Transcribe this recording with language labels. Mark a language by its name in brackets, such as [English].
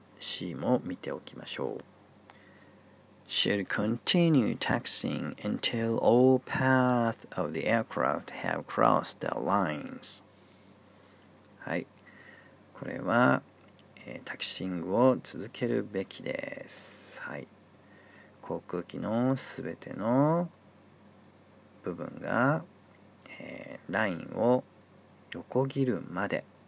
[Japanese] C も見ておきましょう。 [English] Should continue taxiing until all paths of the aircraft have crossed the lines. [Japanese] はい、これは、タクシングを続けるべきです。はい、航空機のすべての部分が、ラインを横切るまで。